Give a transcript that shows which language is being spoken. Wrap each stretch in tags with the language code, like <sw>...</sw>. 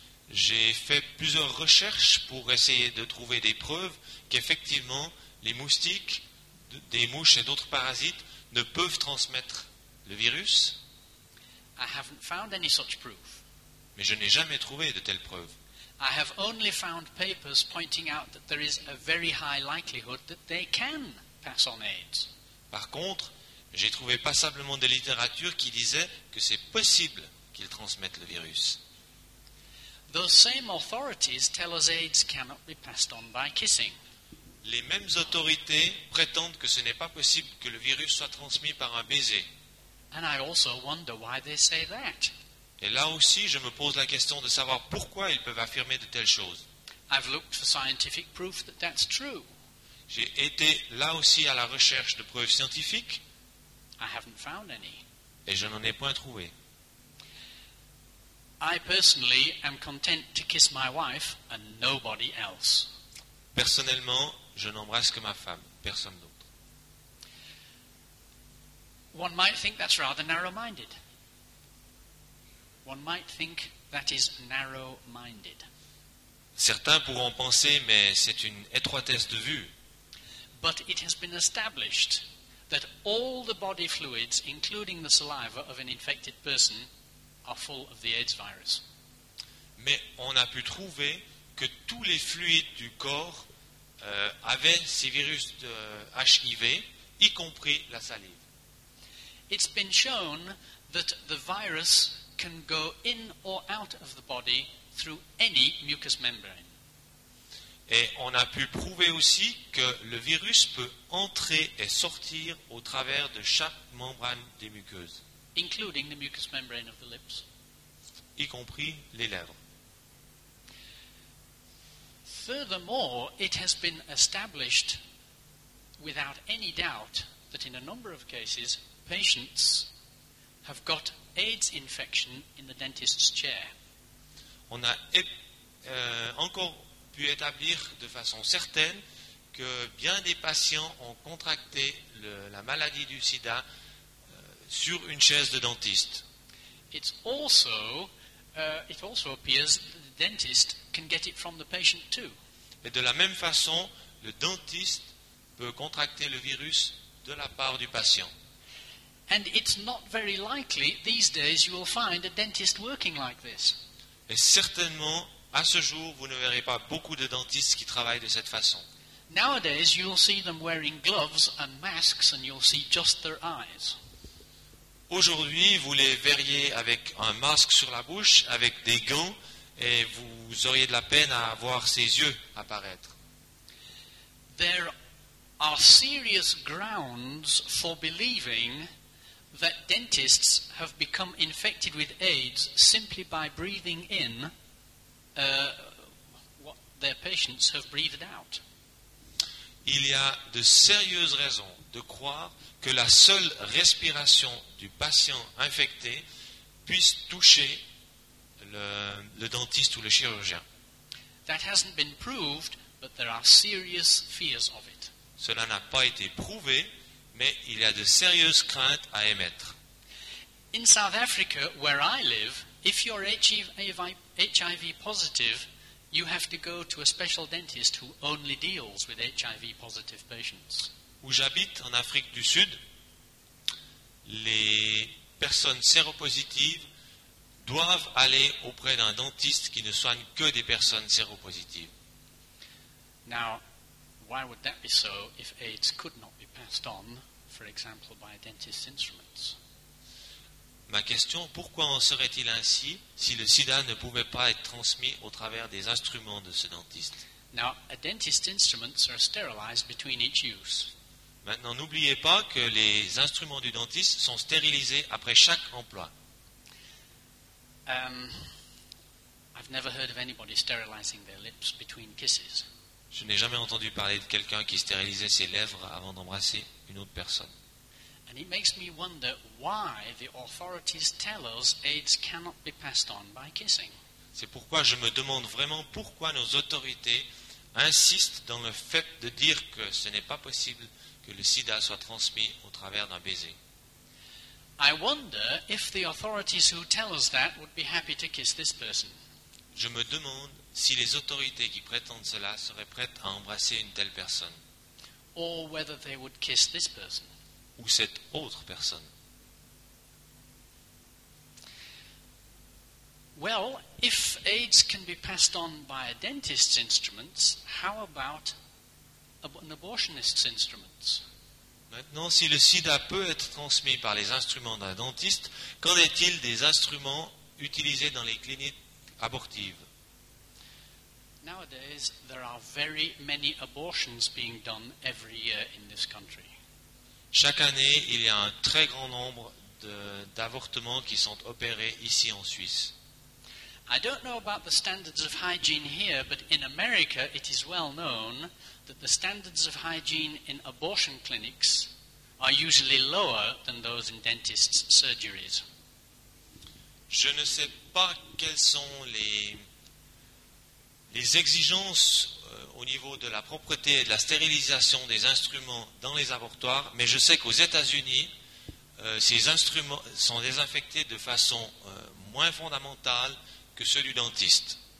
<fr>J'ai fait plusieurs recherches pour essayer de trouver des preuves qu'effectivement les moustiques, des mouches et d'autres parasites ne peuvent transmettre le virus.</fr> <en>I haven't found any such proof.</en> <fr>Mais je n'ai jamais trouvé de telles preuves.</fr> <en>I have only found papers pointing out that there is a very high likelihood that they can pass on AIDS.</en> <fr>Par contre, j'ai trouvé passablement de littérature qui disait que c'est possible qu'ils transmettent le virus.</fr> <en>Those same authorities tell us AIDS cannot be passed on by kissing.</en> <fr>Les mêmes autorités prétendent que ce n'est pas possible que le virus soit transmis par un baiser.</fr> <en>And I also wonder why they say that.</en> <fr>Et là aussi, je me pose la question de savoir pourquoi ils peuvent affirmer de telles choses.</fr> <en>I've looked for scientific proof that that's true.</en> <fr>J'ai été là aussi à la recherche de preuves scientifiques.</fr> <en>I haven't found any.</en> <fr>Et je n'en ai point trouvé.</fr> <en>I personally am content to kiss my wife and nobody else.</en> <fr>Personnellement, je n'embrasse que ma femme, personne d'autre.</fr> <en>One might think that's rather narrow-minded. One might think that is narrow-minded.</en> <fr>Certains pourront penser, mais c'est une étroitesse de vue.</fr> <en>But it has been established that all the body fluids, including the saliva of an infected person, are full of the AIDS virus.</en> <fr>Mais on a pu trouver que tous les fluides du corps avaient ces virus de HIV, y compris la salive.</fr> <en>It's been shown that the virus can go in or out of the body through any mucous membrane.</en> <fr>Et on a pu prouver aussi que le virus peut entrer et sortir au travers de chaque membrane des muqueuses.</fr> <en>Including the mucous membrane of the lips.</en> <fr>Y compris les lèvres.</fr> <en>Furthermore, it has been established without any doubt that in a number of cases patients have got AIDS infection in the dentist's chair.</en> <fr>On a encore pu établir de façon certaine que bien des patients ont contracté la maladie du sida sur une chaise de dentiste.</fr> <en>It also appears that the dentist can get it from the patient too.</en> <fr>Et de la même façon, le dentiste peut contracter le virus de la part du patient.</fr> <en>And it's not very likely these days you will find a dentist working like this.</en> <fr>Et certainement, à ce jour, vous ne verrez pas beaucoup de dentistes qui travaillent de cette façon.</fr> <en>Nowadays, you'll see them wearing gloves and masks, and you'll see just their eyes.</en> <fr>Aujourd'hui, vous les verriez avec un masque sur la bouche, avec des gants, et vous auriez de la peine à voir ses yeux apparaître.</fr> <en>There are serious grounds for believing that dentists have become infected with AIDS simply by breathing in what their patients have breathed out.</en> <fr>Il y a de sérieuses raisons de croire que la seule respiration du patient infecté puisse toucher le dentiste ou le chirurgien.</fr> <en>That hasn't been proved, but there are serious fears of it.</en> <fr>Cela n'a pas été prouvé, mais il y a de sérieuses craintes à émettre.</fr> <en>In South Africa, where I live, if you're HIV positive, you have to go to a special dentist who only deals with HIV positive patients.</en> <fr>Où j'habite en Afrique du Sud, les personnes séropositives doivent aller auprès d'un dentiste qui ne soigne que des personnes séropositives.</fr> <en>Now, why would that be so if AIDS could not be passed on, for example, by a dentist's instruments?</en> <fr>Ma question, pourquoi en serait-il ainsi si le sida ne pouvait pas être transmis au travers des instruments de ce dentiste?</fr> <en>Now, a dentist's instruments are sterilized between each use.</en> <fr>Maintenant, n'oubliez pas que les instruments du dentiste sont stérilisés après chaque emploi.</fr> <en>I've never heard of anybody sterilizing their lips between kisses.</en> <fr>Je n'ai jamais entendu parler de quelqu'un qui stérilisait ses lèvres avant d'embrasser une autre personne.</fr> <en>And it makes me wonder why the authorities tell us AIDS cannot be passed on by kissing.</en> <fr>C'est pourquoi je me demande vraiment pourquoi nos autorités insistent dans le fait de dire que ce n'est pas possible que le sida soit transmis au travers d'un baiser.</fr> <en>I wonder if the authorities who tell us that would be happy to kiss this person.</en> <fr>Je me demande si les autorités qui prétendent cela seraient prêtes à embrasser une telle personne.</fr> <en>Or whether they would kiss this person.</en> <fr>Ou cette autre personne.</fr> <en>Well, if AIDS can be passed on by a dentist's instruments, how about an abortionist's instruments?</en> <fr>Maintenant, si le sida peut être transmis par les instruments d'un dentiste, qu'en est-il des instruments utilisés dans les cliniques abortives?</fr> <en>Nowadays, there are very many abortions being done every year in this country.</en> <fr>Chaque année, il y a un très grand nombre d'avortements qui sont opérés ici en Suisse.</fr> <en>I don't know about the standards of hygiene here, but in America, it is well known that the standards of hygiene in abortion clinics are usually lower than those in dentists' surgeries.</en> <fr>Je ne sais pas quelles sont les exigences au niveau de la propreté et de la stérilisation des instruments dans les abortoirs, mais je sais qu'aux États-Unis, ces instruments sont désinfectés de façon moins fondamentale que ceux du dentiste.</fr>